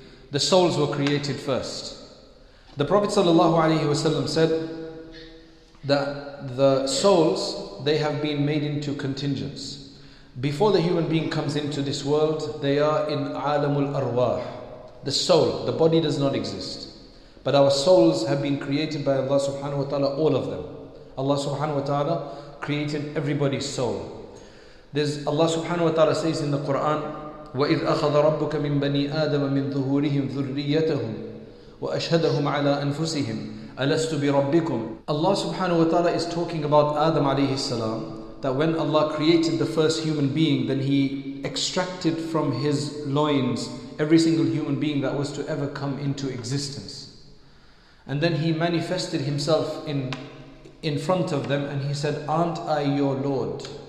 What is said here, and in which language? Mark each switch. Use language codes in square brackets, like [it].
[en] The souls were created first. The Prophet sallallahu alayhi wa sallam said that the souls, they have been made into contingents. Before the human being comes into this world, they are in alamul arwah. The soul, the body does not exist. But our souls have been created by Allah subhanahu wa ta'ala, all of them. Allah subhanahu wa ta'ala created everybody's soul. There's Allah subhanahu wa ta'ala says in the Quran, [ar] وَإِذْ أَخَذَ رَبُّكَ مِنْ بَنِي آدَمَ مِنْ ظُهُورِهِمْ ذُرِّيَّتَهُمْ وَأَشْهَدَهُمْ عَلَىٰ أَنفُسِهِمْ أَلَسْتُ بِرَبِّكُمْ. [en] Allah subhanahu wa ta'ala is talking about Adam alayhi salam, that when Allah created the first human being, then He extracted from his loins every single human being that was to ever come into existence. And then He manifested Himself in front of them, and He said, aren't I your Lord?